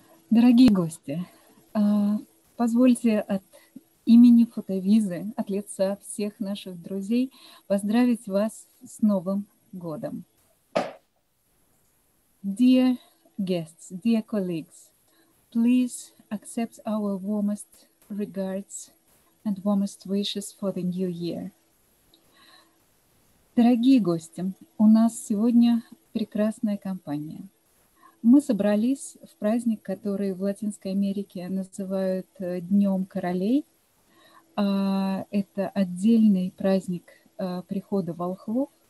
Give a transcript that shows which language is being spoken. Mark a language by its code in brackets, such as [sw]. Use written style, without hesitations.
[ru] Дорогие гости, позвольте от имени фотовизы, от лица всех наших друзей, поздравить вас с Новым годом. [en] Dear guests, dear colleagues, please accept our warmest regards and warmest wishes for the new year. [ru] Дорогие гости, у нас сегодня прекрасная компания. Мы собрались в праздник, который в Латинской Америке называют Днем Королей. Это отдельный праздник прихода волхвов.